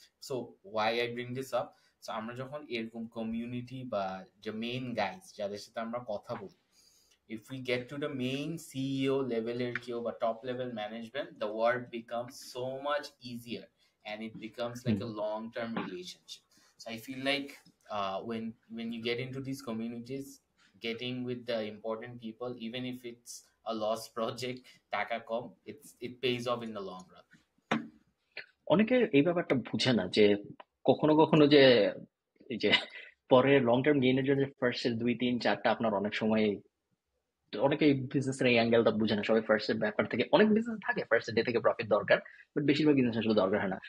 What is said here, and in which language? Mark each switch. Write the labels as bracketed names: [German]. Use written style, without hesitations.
[English] so why I bring this up, so [Bangla] আমরা যখন এরকম কমিউনিটি বা যে মেইন গাইজ যাদের সাথে আমরা কথা বলি, [English] If we get to the main CEO লেভেলের কেউ বা top level management, the word becomes so much easier and it becomes like a long term relationship. So I feel like when you get into these communities, getting with the important people, even if it's a lost project, [Bangla] taka kom, [English] it pays off in the long run. [Bangla] অনেকে এই ব্যাপারটা বুঝে না যে কখনো কখনো যে এই যে পরে লং টার্ম গেইনের জন্য ফার্স্ট এর 2-3-4টা আপনার অনেক সময়, অনেকে বিজনেস এর এই অ্যাঙ্গেলটা বুঝে না, সবাই ফার্স্ট এর ব্যাপার থেকে, অনেক বিজনেস থাকে ফার্স্ট এর ডে থেকে প্রফিট দরকার, বাট বেশিরভাগ বিজনেস আসলে দরকার হয় না।